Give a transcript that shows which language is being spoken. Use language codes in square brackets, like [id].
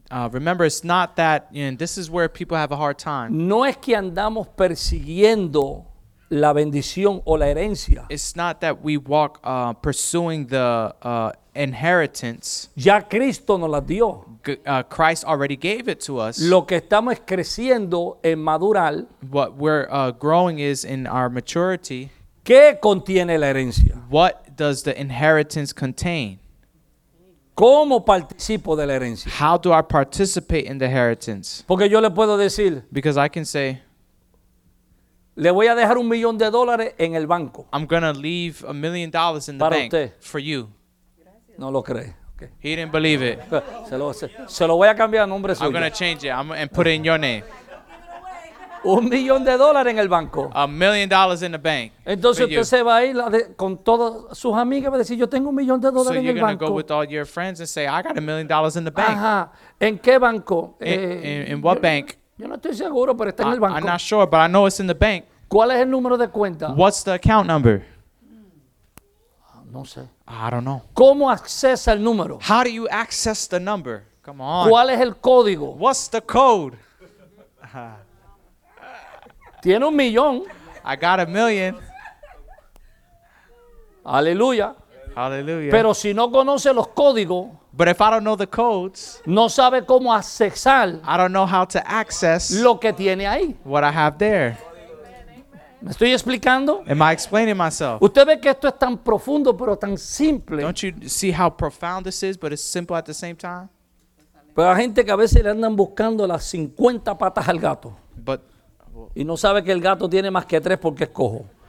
[en] Remember, it's not that, you know, this is where people have a hard time. [es] No es que andamos persiguiendo la bendición o la herencia. [en] It's not that we walk pursuing the inheritance. [es] Ya Cristo nos la dio. [en] Christ already gave it to us. [es] Lo que estamos es creciendo en madurar. [en] What we're growing is in our maturity. [es] ¿Qué contiene la herencia? [en] What does the inheritance contain? [es] ¿Cómo participo de la herencia? [en] How do I participate in the inheritance? [es] Porque yo le puedo decir. [en] Because I can say. [es] Le voy a dejar $1,000,000 en el banco. [en] I'm going to leave $1,000,000 in the [es] para [en] bank [es] usted. [en] For you. [es] No lo cree. [en] He didn't believe it. [es] Se lo voy a cambiar a nombre suyo. [en] I'm going to change it and put it in your name. [es] $1,000,000 en el banco. [en] $1,000,000 in the bank. [es] Entonces usted se va a ir con todas sus amigas y va a decir, yo tengo $1,000,000 en el banco. [en] So you're going to go with all your friends and say, I got $1,000,000 in the bank. [es] Ajá. ¿En qué banco? [en] In what bank? [es] Yo no estoy seguro, pero está en el banco. [en] I'm not sure, but I know it's in the bank. [es] ¿Cuál es el número de cuenta? [en] What's the account number? [es] No sé. [en] I don't know. [es] ¿Cómo accesa el número? [en] How do you access the number? Come on. [es] ¿Cuál es el código? [en] What's the code? [es] Tiene $1,000,000. [en] I got $1,000,000. [es] Aleluya. Aleluya. Pero si no conoce los códigos. [en] But if I don't know the codes. [es] No sabe cómo accesar. [en] I don't know how to access. [es] Lo que tiene ahí. [en] What I have there. [es] ¿Me estoy explicando? [en] Am I explaining myself? [es] ¿Usted ve que esto es tan profundo pero tan simple? [en] Don't you see how profound this is, but it's simple at the same time? [es] Pero hay gente que a veces le andan buscando las 50 patas al gato. [en] But, [es] y no sabe que el gato tiene más que tres porque es cojo.